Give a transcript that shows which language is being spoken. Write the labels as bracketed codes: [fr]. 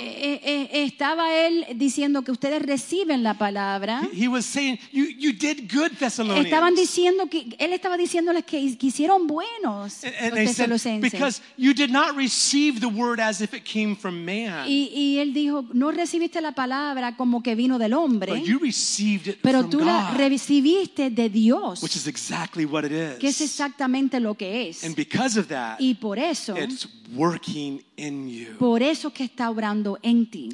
[es] Estaba él diciendo que ustedes reciben la palabra. [en] He was saying, you did good, Thessalonians. [es] Estaban diciendo que él estaba diciéndoles que hicieron buenos. [en] And they said, because you did not receive the word as if it came from man. [es] Y él dijo, no recibiste la palabra como que vino del hombre. [en] But you received it [es] pero [en] from [es] tú la [en] God, [es] recibiste de Dios. [en] Which is exactly what it is. [es] Que es exactamente lo que es. [en] And because of that, [es] y por eso, [en] it's working in you. [es] Por eso que está obrando en ti.